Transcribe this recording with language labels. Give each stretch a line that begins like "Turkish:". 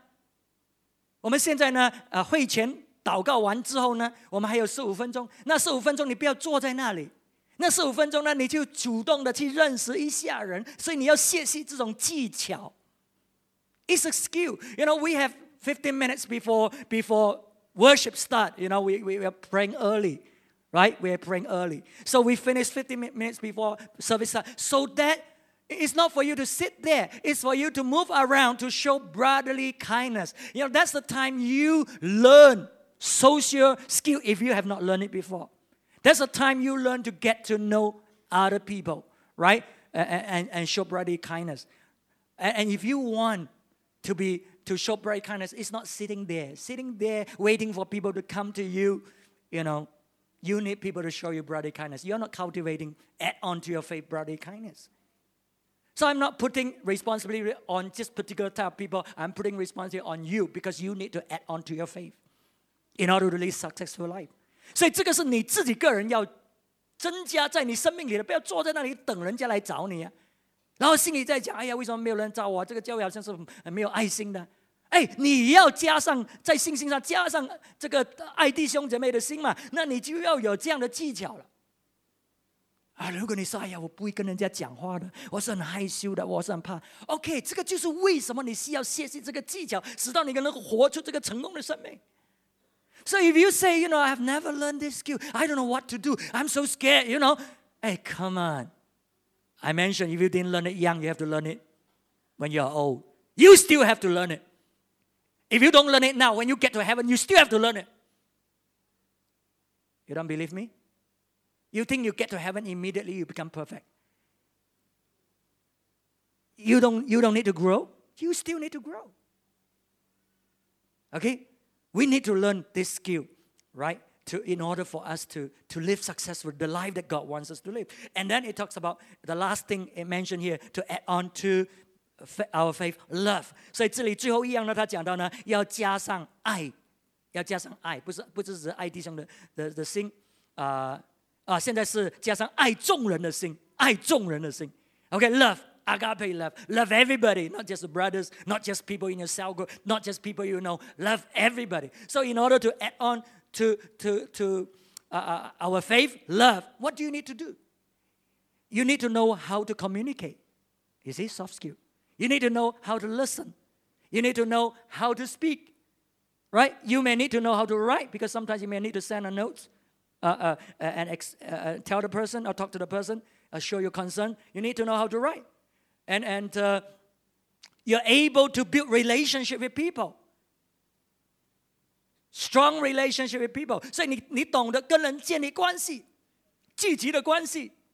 Chinese: 所以这个讲到呢，我们爱弟兄的心呢，我们就要懂得怎么样有这个视交的这种行为。我们懂得怎么样带领我们自己，在一种场合里面，有一些事情是不讲的，有一些事情我们那个时候不要谈，别的时候再谈。你明白？你要懂得怎么样做人吧？懂得怎么样做人？OK，那么呢，你应该也要主动的。我们现在呢，会前。祷告完之后呢，我们还有15分钟。那15分钟你不要坐在那里，那15分钟呢，你就主动的去认识一下人。所以你要学习这种技巧。
English: It's a skill. You know, we have 15 minutes before worship start. You know, we are praying early, right? We are praying early. So we finish 15 minutes before service start. So that it's not for you to sit there. It's for you to move around to show brotherly kindness. You know, that's the time you learn social skill if you have not learned it before. That's the time you learn to get to know other people, right? And show brotherly kindness. And if you want to show brotherly kindness, it's not sitting there. Sitting there waiting for people to come to you, you know, you need people to show you brotherly kindness. You're not cultivating, add on to your faith, brotherly kindness. So I'm not putting responsibility on just particular type of people. I'm putting responsibility on you because you need to add on to your faith. In order to live successful life.
Chinese: 所以这个是你自己个人要增加在你生命里的，不要坐在那里等人家来找你啊。然后心里在讲，哎呀，为什么没有人找我啊？这个教会好像是没有爱心的。你要加上在信心上加上这个爱弟兄姐妹的心嘛，那你就要有这样的技巧了。如果你说哎呀，我不会跟人家讲话的，我是很害羞的，我是很怕。 OK， 这个就是为什么你需要学习这个技巧，使到你能够活出这个成功的生命。
English: So if you say, you know, I've never learned this skill, I don't know what to do, I'm so scared, you know. Hey, come on. I mentioned if you didn't learn it young, you have to learn it when you are old. You still have to learn it. If you don't learn it now, when you get to heaven, you still have to learn it. You don't believe me? You think you get to heaven immediately, you become perfect. You don't need to grow. You still need to grow. Okay? We need to learn this skill, right? In order for us to live successful, the life that God wants us to live. And then it talks about the last thing it mentioned here to add on to our faith, love.
Chinese: 所以这里最后一样呢，他讲到呢，要加上爱，要加上爱，不是爱弟兄的心，现在是加上爱众人的心，爱众人的心。
English: Okay, love. Agape love. Love everybody, not just brothers, not just people in your cell group, not just people you know. Love everybody. So in order to add on to our faith, love, what do you need to do? You need to know how to communicate. You see, soft skill. You need to know how to listen. You need to know how to speak. Right? You may need to know how to write, because sometimes you may need to send a note and tell the person or talk to the person, show your concern. You need to know how to write. And you're able to build relationship with people. Strong relationship with people.
Chinese: 所以你懂得跟人建立关系，积极的关系。